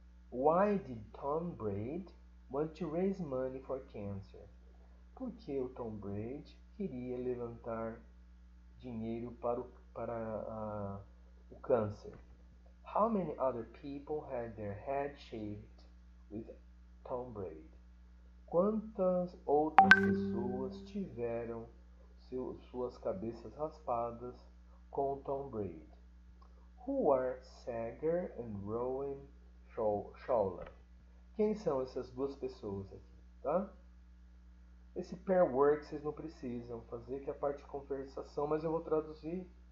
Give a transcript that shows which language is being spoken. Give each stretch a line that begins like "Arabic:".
English: Why did Tom Brady want to raise money for cancer?
Portuguese: Por que o Tom Brady queria levantar dinheiro para o câncer?
English: How many other people had their head shaved with Tom Brady?
Portuguese: Quantas outras pessoas tiveram suas cabeças raspadas com Tom Brady?
English: Who are Sagar and Rowan Schaller?
Portuguese: Quem são essas duas pessoas aqui, tá? Esse pair work vocês não precisam fazer, que é a parte de conversação, mas eu vou traduzir.